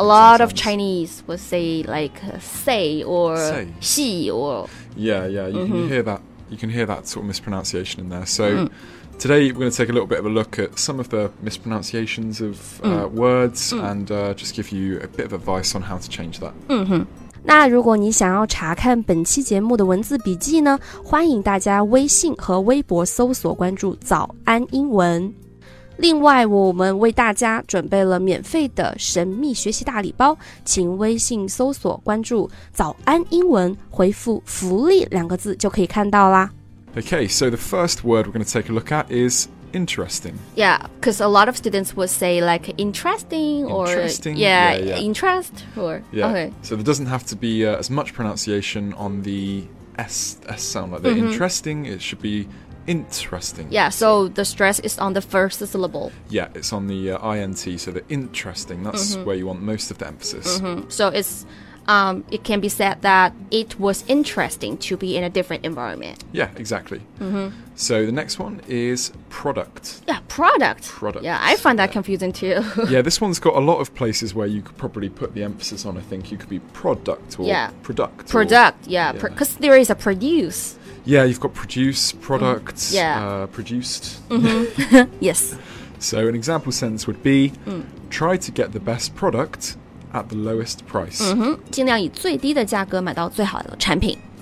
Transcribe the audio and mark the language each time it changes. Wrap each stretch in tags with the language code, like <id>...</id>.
<en>a lot of Chinese would say like say or xi or... Yeah, you can hear that sort of mispronunciation in there. So today we're going to take a little bit of a look at some of the mispronunciations of words and just give you a bit of advice on how to change that. Mm-hmm.</en> <zh>那如果你想要查看本期节目的文字笔记呢，欢迎大家微信和微博搜索关注早安英文。另外，我们为大家准备了免费的神秘学习大礼包，请微信搜索关注早安英文，回复福利两个字就可以看到啦。</zh> <en>Okay, so the first word we're going to take a look at is... Interesting. Yeah, because a lot of students would say like interesting or interesting. Interest or So there doesn't have to be as much pronunciation on the S sound like that. Interesting, it should be interesting. Yeah, so the stress is on the first syllable. Yeah, it's on the INT, so the interesting, that's where you want most of the emphasis. So it's, it can be said that it was interesting to be in a different environment. Yeah, exactly. So the next one is product. Yeah, product. Product. Yeah, I find that confusing too. Yeah, this one's got a lot of places where you could probably put the emphasis on, I think. You could be product or product. Because there is a produce. Yeah, you've got produce, product, produced. Yes. So an example sentence would be, try to get the best product at the lowest price.</en> <zh>尽量以最低的价格买到最好的产品。</zh>